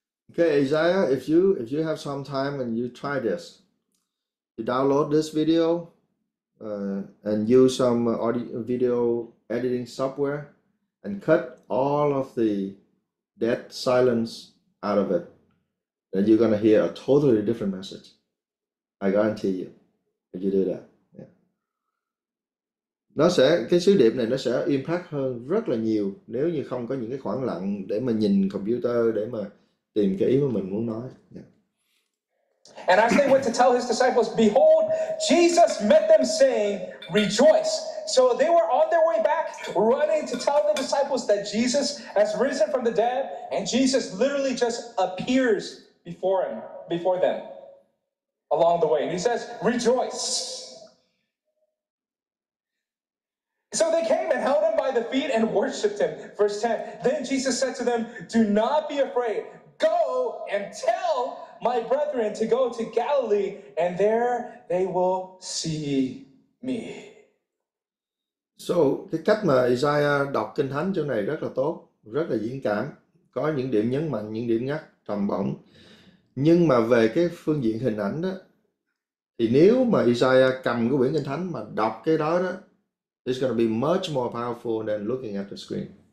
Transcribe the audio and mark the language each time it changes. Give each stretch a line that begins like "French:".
English: Okay, Isaiah, if you have some time and you try this, you download this video and use some audio video editing software and cut all of the dead silence out of it, then you're going to hear a totally different message. I guarantee you if you do that. Yeah.
Vietnamese: Nó sẽ cái sứ điệp này nó sẽ impact hơn rất là nhiều nếu như không có những cái khoảng lặng để mà nhìn computer để mà tìm cái ý mà mình muốn nói.
English: Yeah. And as they went to tell his disciples, behold, Jesus met them saying, "Rejoice." So they were on their way back running to tell the disciples that Jesus has risen from the dead, and Jesus literally just appears before them along the way. And he says, "Rejoice." So they came and held him by the feet and worshiped him. Verse 10, then Jesus said to them, "Do not be afraid. Go and tell my brethren to go to Galilee, and there they will see me."
Vietnamese: So, cái cách mà Isaiah đọc Kinh Thánh chỗ này rất là tốt, rất là diễn cảm, có những điểm nhấn mạnh, những điểm nhắc trầm bổng. Nhưng mà về cái phương diện hình ảnh đó, thì nếu mà Isaiah cầm cái quyển Kinh Thánh mà đọc cái đó đó,
English: it's going to be much more powerful than looking at the screen.